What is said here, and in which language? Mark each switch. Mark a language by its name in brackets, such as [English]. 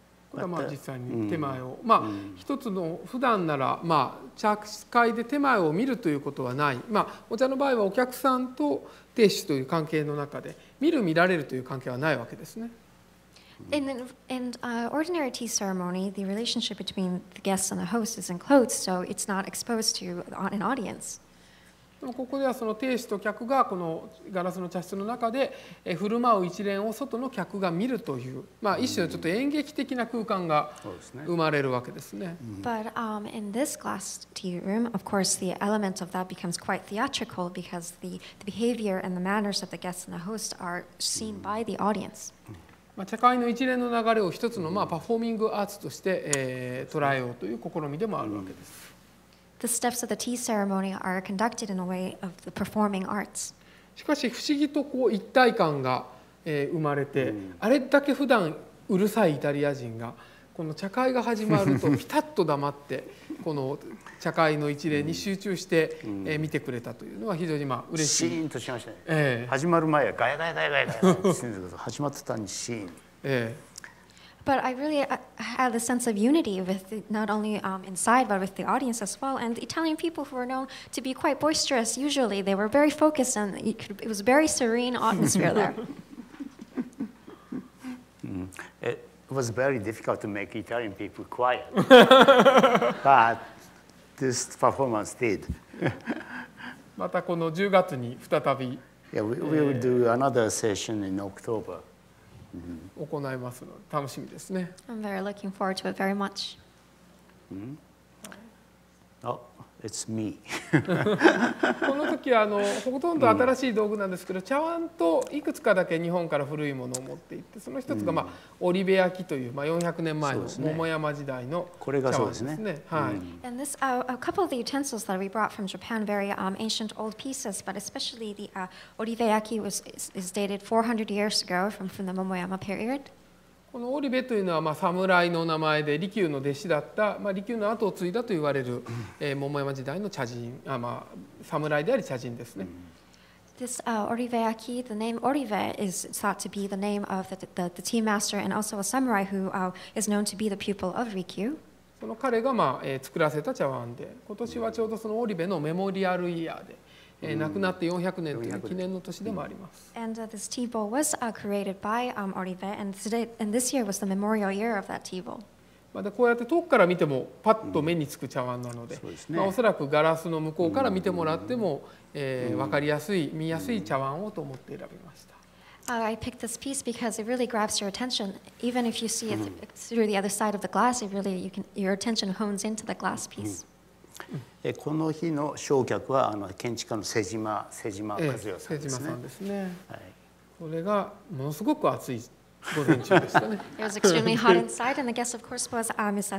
[Japanese] これはまあ実際に手前を、まあ一つの普段ならまあ茶会で手前を見るということはない。まあお茶の場合はお客さんと店主という関係の中で見る見られるという関係はないわけですね。 [English] In ordinary tea ceremony, the relationship between the guests and the host is enclosed, so it's not exposed to an audience. [Japanese] ここではその亭主と客がこのガラスの茶室の中で振る舞う一連を外の客が見るという、まあ、一種のちょっと演劇的な空間が生まれるわけですね。 [English] But in this glass tea room, of course, the element of that becomes quite theatrical because the behavior and the manners of the guests and the host are seen by the audience. [Japanese] 茶会の一連の流れを一つのまあパフォーミングアーツとして捉えようという試みでもあるわけです。 [English] The steps of the tea ceremony are conducted in a way of the performing arts. [Japanese] しかし不思議とこう一体感が生まれて、あれだけ普段うるさいイタリア人がこの茶会が始まるとピタッと黙ってこの茶会の一連に集中して見てくれたというのは非常にまあ嬉しい。シーンとしましたね。始まる前はガヤガヤガヤガヤガヤガヤ始まってたのにシーン。 [English] But I really had a sense of unity with not only inside but with the audience as well. And Italian people who were known to be quite boisterous usually they were very focused and it was a very serene atmosphere there. It was very difficult to make Italian people quiet. But this performance did. [Japanese] またこの10月に再び。 [English] Yeah, we will do another session in October. [Japanese] 行いますので楽しみですね。 [English] I'm very looking forward to it very much. Oh, it's me. [Japanese] この時はほとんど新しい道具なんですけど、茶碗といくつかだけ日本から古いものを持っていって、その一つがまあ織部焼きというまあ400年前の桃山時代の茶碗ですね。これがそうですね。はい。 [English] And this a couple of the utensils that we brought from Japan, very ancient old pieces, but especially the 織部焼き is dated 400 years ago from the 桃山 period. [Japanese] この織部というのはまあ侍の名前で利休の弟子だった、まあ、利休の後を継いだと言われる桃山時代の茶人、あ、まあ侍であり茶人ですね。 [English] This Oribe Aki, the name Oribe is thought to be the name of the tea master and also a samurai who is known to be the pupil of Rikyu. [Japanese] その彼がまあ作らせた茶碗で、今年はちょうどその織部のメモリアルイヤーで。亡くなって400年という記念の年でもあります。 [English] And this tea bowl was created by Oribe, and today and this year was the memorial year of that tea bowl. [Japanese] まだこうやって遠くから見てもパッと目につく茶碗なので、まあおそらくガラスの向こうから見てもらっても分かりやすい見やすい茶碗をと思って選びました。 [English] I picked this piece because it really grabs your attention. Even if you see it through the other side of the glass, it really your attention hones into the glass piece. [Japanese] この日の焼却は建築家の瀬島和代さんですね。はい、これがものすごく暑い午前中でしたね。 [English] It was extremely hot inside, and the guest of course was Mr.